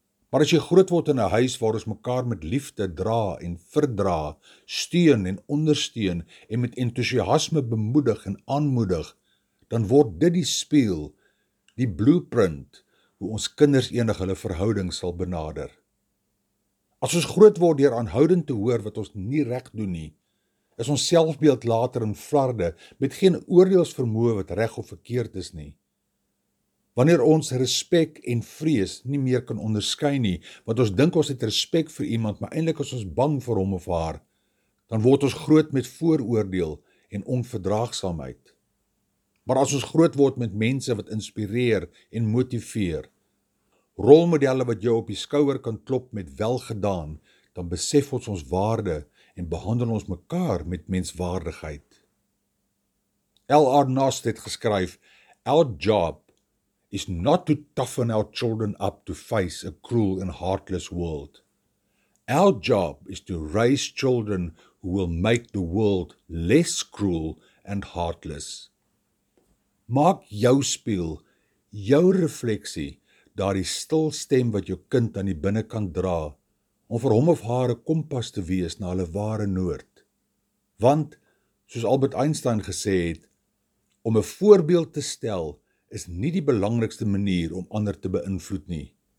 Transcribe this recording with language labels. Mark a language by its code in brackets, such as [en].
[af] Maar as jy groot word in 'n huis waar ons mekaar met liefde dra en verdra, steun en ondersteun en met entoesiasme bemoedig en aanmoedig, dan word dit die spieël, die blueprint, hoe ons kinders enig hulle verhouding sal benader. As ons groot word deur aanhoudend te hoor wat ons nie reg doen nie, is ons selfbeeld later in flarde met geen oordeelsvermoë wat reg of verkeerd is nie. Wanneer ons respek en vrees nie meer kan onderskei nie, want ons dink ons het respek vir iemand, maar eintlik is ons bang vir hom of haar, dan word ons groot met vooroordeel en onverdraagsaamheid. Maar as ons groot word met mense wat inspireer en motiveer, rolmodelle wat jou op die skouer kan klop met welgedaan, dan besef ons ons waarde en behandel ons mekaar met menswaardigheid. L.R. [en] Nast [af] het geskryf, [en] "Our job is not to toughen our children up to face a cruel and heartless world. Our job is to raise children who will make the world less cruel and heartless." [af] Maak jou spieël, jou refleksie, daardie stil stem wat jou kind aan die binnekant dra, om vir hom of haar 'n kompas te wees na hulle ware noord. Want, soos Albert Einstein gesê het, om 'n voorbeeld te stel is nie die belangrikste manier om ander te beïnvloed nie.